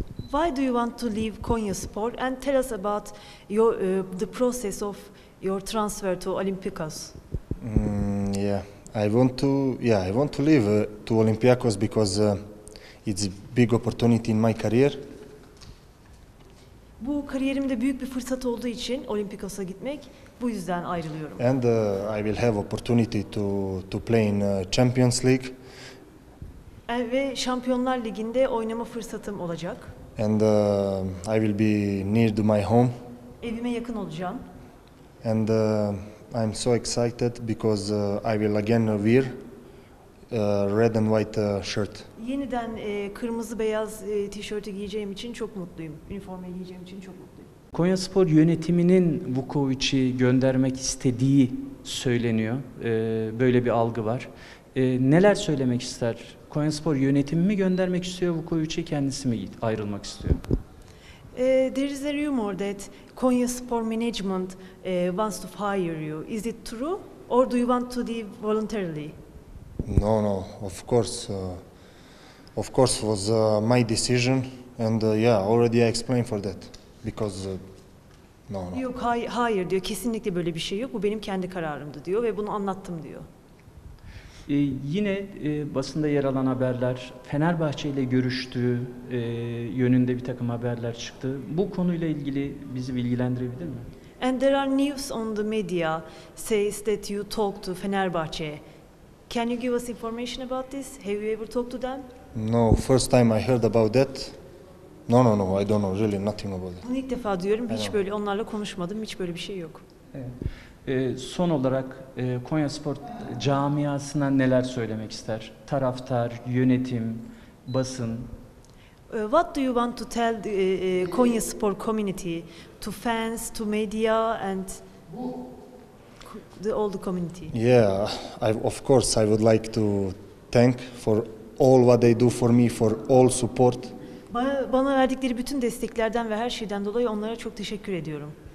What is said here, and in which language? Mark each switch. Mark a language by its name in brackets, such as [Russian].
[English] Why do you want to leave Konyaspor and tell us about your the process of your transfer to Olympiakos? I want to leave to Olympiakos because it's a big opportunity in my career. [Turkish] Bu kariyerimde büyük bir fırsat olduğu için Olympiakos'a gitmek, bu yüzden ayrılıyorum. [English] And I will have opportunity to play in Champions League. [Turkish] Ve Şampiyonlar Ligi'nde oynama fırsatım olacak. [English] And I will be near to my home. [Turkish] Evime yakın olacağım. [English] And I'm so excited because I will again wear red and white shirt. [Turkish] Yeniden kırmızı beyaz tişörtü giyeceğim için çok mutluyum. Üniformayı giyeceğim için çok mutluyum. Konyaspor yönetiminin Vukovic'i göndermek istediği söyleniyor. Böyle bir algı var. Neler söylemek ister? Konyaspor yönetimi mi göndermek istiyor Vukovic'i, kendisi mi ayrılmak istiyor? [English] There is a rumor that Konyaspor management wants to fire you. Is it true or do you want to leave voluntarily? No, of course was my decision and already I explained for that because no. [Turkish] Yok, hayır diyor, kesinlikle böyle bir şey yok, bu benim kendi kararımdı diyor ve bunu anlattım diyor. Yine basında yer alan haberler, Fenerbahçe ile görüştüğü yönünde bir takım haberler çıktı. Bu konuyla ilgili bizi bilgilendirebilir mi? [English] And there are news on the media says that you talked to Fenerbahçe. Can you give us information about this? Have you ever talked to them? No, first time I heard about that. No, I don't know, really nothing about it. [Turkish] Bunu ilk defa diyorum, hiç böyle onlarla konuşmadım, hiç böyle bir şey yok. Evet. Son olarak Konyaspor camiasına neler söylemek ister? Taraftar, yönetim, basın. [English] What do you want to tell the Konyaspor community, to fans, to media and the all the community? Yeah, of course I would like to thank for all what they do for me, for all support. [Turkish] Bana verdikleri bütün desteklerden ve her şeyden dolayı onlara çok teşekkür ediyorum.